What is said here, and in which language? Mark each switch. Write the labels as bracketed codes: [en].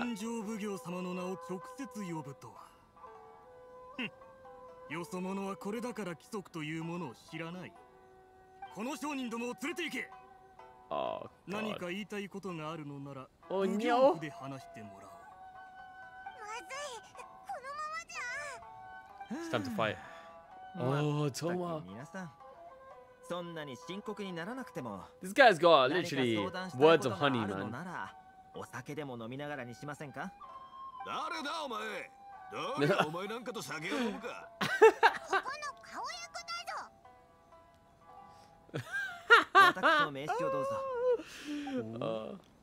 [ja] 勘定奉行様の名を直接呼ぶとはよそ者はこれだから規則というものを知らないこの商人どもを連れて行け、 oh, 何か言いたいことがあるのなら、 oh, 奉行で話してもらう [en] It's time to fight. Oh, Toma. [ja] そんなに深刻にならなくても。 [en] This guy's got literally words of honey, man. [ja] お酒でも飲みながらにしませんか？誰だお前？誰お前なんかと酒を飲むか？ここの顔役だぞ。私の名刺をどうぞ。